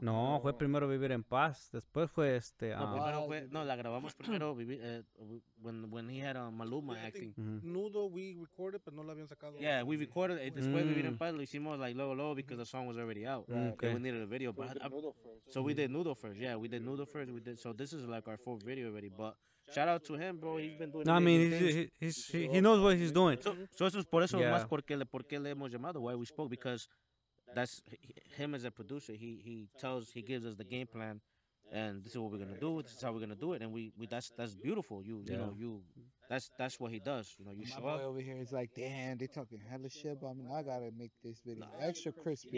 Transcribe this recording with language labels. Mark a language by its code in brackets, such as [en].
[es] No, fue primero Vivir en Paz, después fue este... [en] No, [es] la grabamos primero [en] when he had Maluma acting. [es] Nudo, [en] we recorded, [es] pero no la habían sacado. [en] Yeah, we recorded it, [es] después Vivir en Paz lo hicimos [en] like low because the song was already out. Okay. We needed a video, but... We did Nudo first. We did, so this is like our fourth video already, but... Shout out to him, bro. He's been doing. No, I mean, he knows what he's doing. [es] So eso es por eso más porque le hemos llamado. [en] Why we spoke, because that's him as a producer. He gives us the game plan, and this is what we're gonna do. This is how we're gonna do it, and we that's beautiful. That's what he does. You know, you show up. My boy over here is like, damn, they talking hella shit, but I mean, I gotta make this video extra crispy.